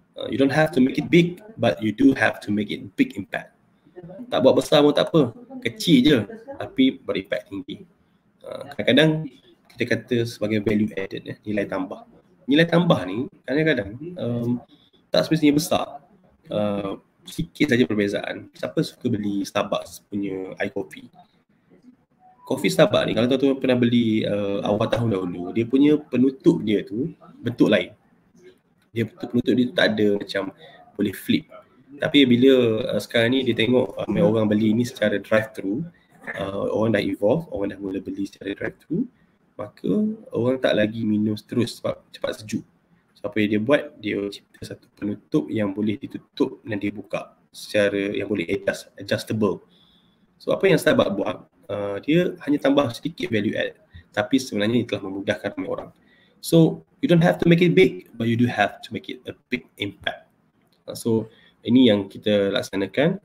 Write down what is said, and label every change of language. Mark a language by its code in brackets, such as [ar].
[en] You don't have to make it big, but you do have to make it big impact. [ms] Tak buat besar pun tak apa, kecil je tapi berimpak tinggi. Kadang-kadang kita kata sebagai value added, nilai tambah. Nilai tambah ni kadang-kadang tak semestinya besar. Sikit saja perbezaan. Siapa suka beli Starbucks punya iCoffee? Coffee Starbucks ni kalau tuan-tuan pernah beli awal tahun dahulu, dia punya penutup dia tu bentuk lain. Dia penutup dia tak ada macam boleh flip. Tapi bila sekarang ni dia tengok orang beli ni secara drive-thru, orang dah evolve, orang dah mula beli secara drive-thru, maka orang tak lagi minum terus sebab cepat sejuk. So apa yang dia buat, dia cipta satu penutup yang boleh ditutup dan dia buka secara yang boleh adjustable. So apa yang Starbucks buat, dia hanya tambah sedikit value add, tapi sebenarnya dia telah memudahkan ramai orang. [en] So you don't have to make it big, but you do have to make it a big impact. [ms] So ini yang kita laksanakan.